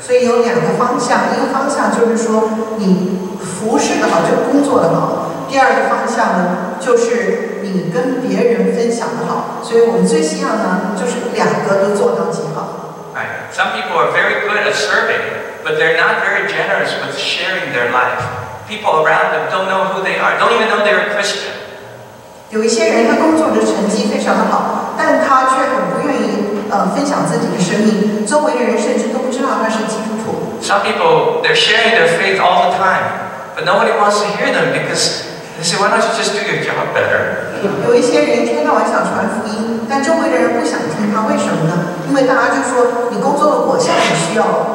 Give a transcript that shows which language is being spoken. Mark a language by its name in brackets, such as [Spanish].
[Chinese] 所以有两个方向，一个方向就是说你服侍的好，就工作的好。第二个方向呢，就是你跟别人分享的好。所以我们最希望呢，就是两个都做到极好。 [English] Right. Some people are very good at serving. But they're not very generous with sharing their life. People around them don't know who they are, don't even know they're a Christian. [Chinese] 有一些人他工作的成绩非常的好，但他却很不愿意分享自己的生命，周围的人甚至都不知道他是基督徒。 [English] Some people they're sharing their faith all the time, but nobody wants to hear them because they say, "Why don't you just do your job better?" [Chinese] 有一些人天天晚上传福音，但周围的人不想听他，为什么呢？因为大家就说你工作的果效很需要。